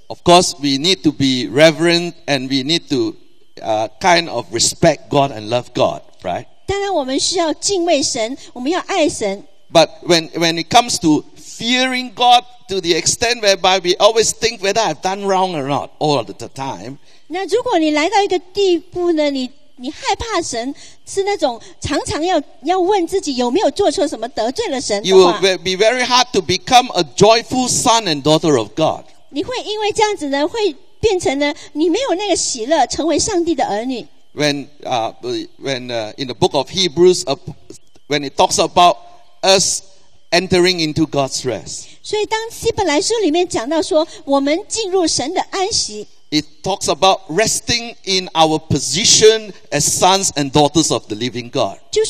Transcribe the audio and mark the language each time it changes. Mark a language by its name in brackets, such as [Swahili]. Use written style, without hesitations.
[English] Of course, we need to be reverent and we need to kind of respect God and love God, right? [Chinese] 当然我们需要敬畏神，我们要爱神。 [English] But when it comes to fearing God to the extent whereby we always think whether I've done wrong or not all the time. [Chinese] 那如果你来到一个地步呢，你害怕神，是那种常常要问自己有没有做错什么，得罪了神。 [English] You will be very hard to become a joyful son and daughter of God. [Chinese] 你会因为这样子呢，会变成呢，你没有那个喜乐，成为上帝的儿女。 [English] When in the book of Hebrews, when it talks about us entering into God's rest. [Chinese] 所以当希伯来书里面讲到说，我们进入神的安息。 [English] It talks about resting in our position as sons and daughters of the living God.